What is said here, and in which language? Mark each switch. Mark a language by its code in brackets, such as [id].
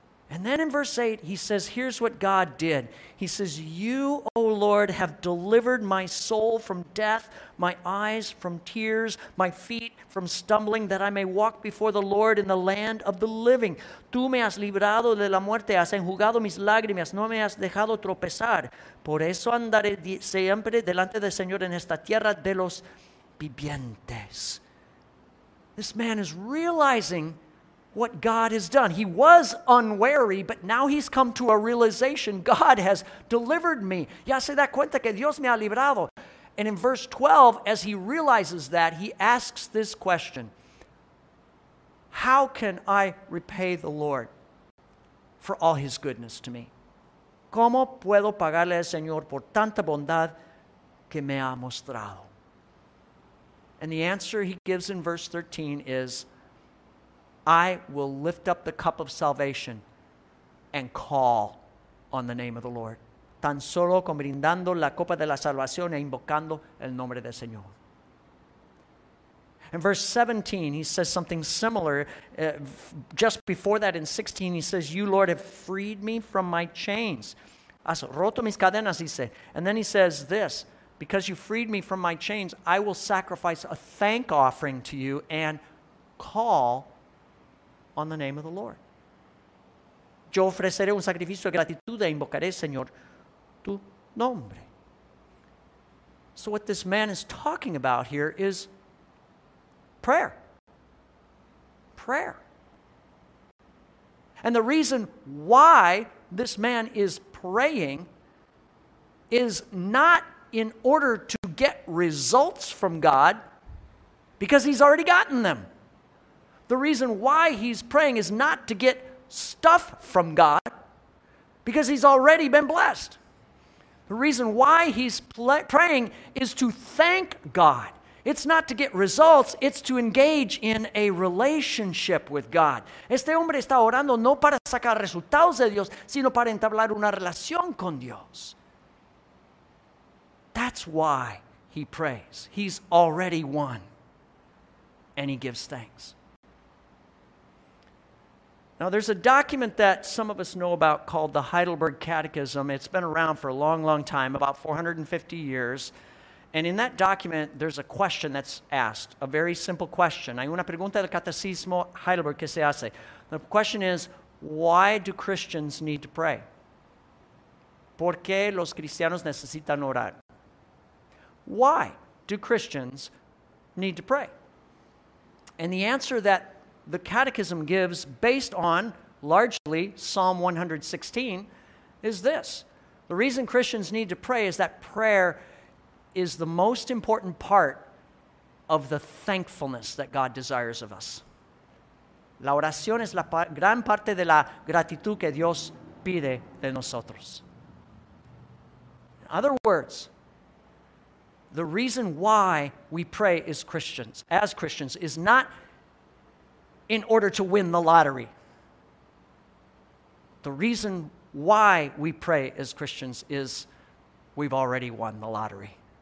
[en] And then in verse 8, he says, here's what God did. He says, you, O Lord, have delivered my soul from death, my eyes from tears, my feet from stumbling, that I may walk before the Lord in the land of the living. [es] Tú me has librado de la muerte, has enjugado mis lágrimas, no me has dejado tropezar. Por eso andaré siempre delante del Señor en esta tierra de los vivientes. [en] This man is realizing what God has done. He was unwary, but now he's come to a realization. God has delivered me. [es] Ya se da cuenta que Dios me ha librado. [en] And in verse 12, as he realizes that, he asks this question. How can I repay the Lord for all his goodness to me? [es] ¿Cómo puedo pagarle al Señor por tanta bondad que me ha mostrado? [en] And the answer he gives in verse 13 is, I will lift up the cup of salvation and call on the name of the Lord. [es] Tan solo con brindando la copa de la salvación e invocando el nombre del Señor. [en] In verse 17, he says something similar. Just before that, in 16, he says, you, Lord, have freed me from my chains. [es] Has roto mis cadenas, dice. [en] And then he says this, because you freed me from my chains, I will sacrifice a thank offering to you and call on the name of the Lord. [es] Yo ofreceré un sacrificio de gratitud e invocaré, Señor, tu nombre. [en] So what this man is talking about here is prayer. Prayer. And the reason why this man is praying is not in order to get results from God, because he's already gotten them. The reason why he's praying is not to get stuff from God, because he's already been blessed. The reason why he's praying is to thank God. It's not to get results, it's to engage in a relationship with God. [es] Este hombre está orando no para sacar resultados de Dios, sino para entablar una relación con Dios. [en] That's why he prays. He's already won, and he gives thanks. Now, there's a document that some of us know about called the Heidelberg Catechism. It's been around for a long, long time, about 450 years. And in that document, there's a question that's asked, a very simple question. [es] Hay una pregunta del Catecismo Heidelberg que se hace. [en] The question is, why do Christians need to pray? [es] ¿Por qué los cristianos necesitan orar? [en] Why do Christians need to pray? And the answer that the Catechism gives, based on largely Psalm 116, is this. The reason Christians need to pray is that prayer is the most important part of the thankfulness that God desires of us. [es] La oración es la gran parte de la gratitud que Dios pide de nosotros. [en] In other words, the reason why we pray as Christians, is not in order to win the lottery. The reason why we pray as Christians is we've already won the lottery.